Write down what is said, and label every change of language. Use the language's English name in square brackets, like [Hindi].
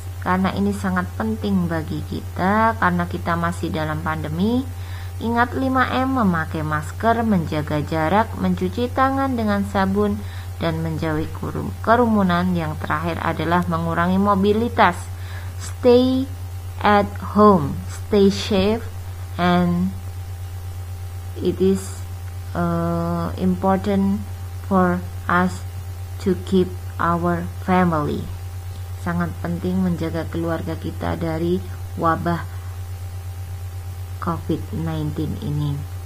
[Indonesian] Karena ini sangat penting bagi kita, karena kita masih dalam pandemi. Ingat 5M, memakai masker, menjaga jarak, mencuci tangan dengan sabun, dan menjauhi kerumunan. Yang terakhir adalah mengurangi mobilitas. [English] Stay at home, stay safe, and it is important for us to keep our family. [Indonesian] Sangat penting menjaga keluarga kita dari wabah COVID-19 ini.